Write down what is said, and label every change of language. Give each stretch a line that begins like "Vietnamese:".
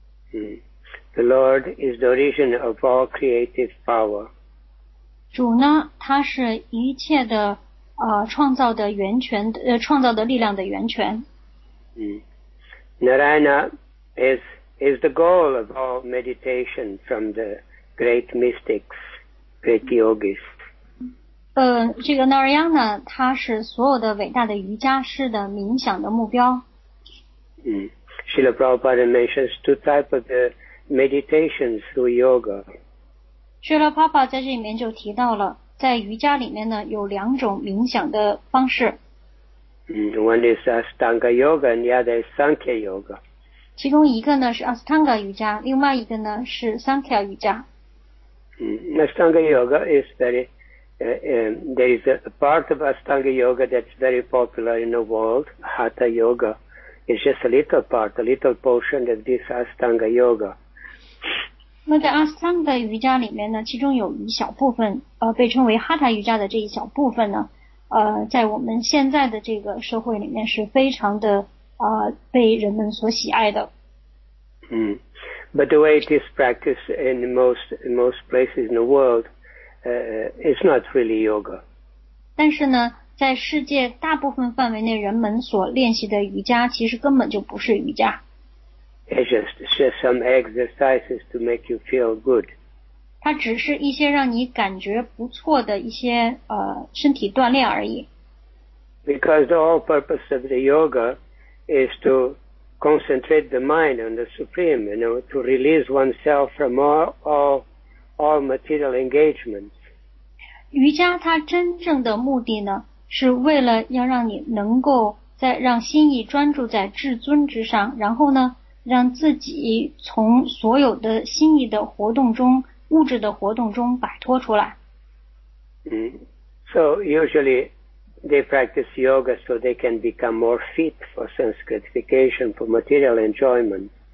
English: The Lord is the origin of all creative power。
Chinese: 主呢他是一切的创造的源泉创造的力量的源泉。
English: Narayana is the goal of all meditation from the great mystics, great yogis。
Chinese: 这个 Narayana 他是所有的伟大的瑜伽师的冥想的目标。
English: Srila Prabhupada mentions two types of meditations through yoga。
Chinese: Srila Prabhupada 在这里面就提到了在瑜伽里面呢有两种冥想的方式。
English: One is Astanga Yoga and the other is Sankhya Yoga。
Chinese: 其中一个呢是 Astanga 瑜伽，另外一个呢是 Sankhya 瑜伽。
English: Astanga Yoga is there is a part of Astanga Yoga that's very popular in the world, Hatha Yoga. It's just a little part, a little portion of this Astanga Yoga.
Chinese: 那在 Astanga 瑜伽里面呢，其中有一小部分，被称为 Hatha 瑜伽的这一小部分呢，在我们现在的这个社会里面是非常的，被人们所喜爱的。
English: But the way it is practiced in most places in the world, it's not really yoga.
Chinese: 但是呢，在世界大部分范围内，人们所练习的瑜伽其实根本就不是瑜伽。
English: It's just some exercises to make you feel good.
Chinese: 它只是一些让你感觉不错的一些身体锻炼而已。
English: Because the whole purpose of the yoga is to concentrate the mind on the supreme, you know, to release oneself from all material engagements.
Chinese: 瑜伽它真正的目的呢，是为了要让你能够在让心意专注在至尊之上，然后呢，让自己从所有的心意的活动中，物质的活动中摆脱出来。
English: So usually they practice yoga so they can become more fit for sense gratification, for material enjoyment.